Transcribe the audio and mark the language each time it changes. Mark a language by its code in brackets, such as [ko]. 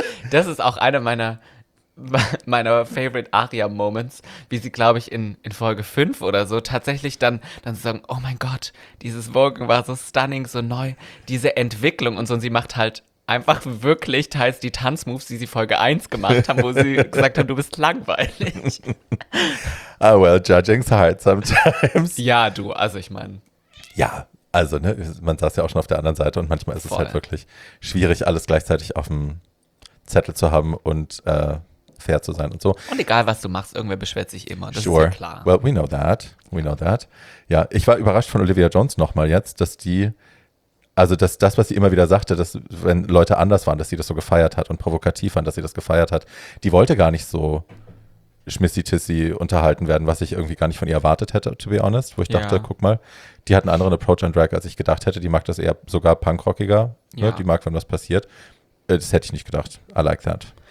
[de] Das ist auch einer meiner favorite Aria-Moments, wie sie, glaube ich, in Folge 5 oder so tatsächlich dann sagen, oh mein Gott, dieses Voguing war so stunning, so neu, diese Entwicklung und so. Und sie macht halt einfach wirklich teils die Tanzmoves, die sie Folge 1 gemacht haben, wo sie gesagt haben, du bist langweilig. [en] Ah, well, judging's hard sometimes. [de] Ja, du, also ich meine. Ja, also ne, man saß ja auch schon auf der anderen Seite und manchmal ist es halt wirklich schwierig, alles gleichzeitig auf dem Zettel zu haben und fair zu sein und so. Und egal, was du machst, irgendwer beschwert sich immer, das ist ja klar. [en] Well, we know that. [de] Ja, ich war überrascht von Olivia Jones nochmal jetzt, dass was sie immer wieder sagte, dass wenn Leute anders waren, dass sie das so gefeiert hat und provokativ waren, dass sie das gefeiert hat, die wollte gar nicht so schmissi-tissi unterhalten werden, was ich irgendwie gar nicht von ihr erwartet hätte, [en] to be honest, [de] wo ich dachte, guck mal, die hat einen anderen Approach an Drag, als ich gedacht hätte, die mag das eher sogar punkrockiger, ne? Die mag, wenn was passiert. Das hätte ich nicht gedacht. [en] I like that.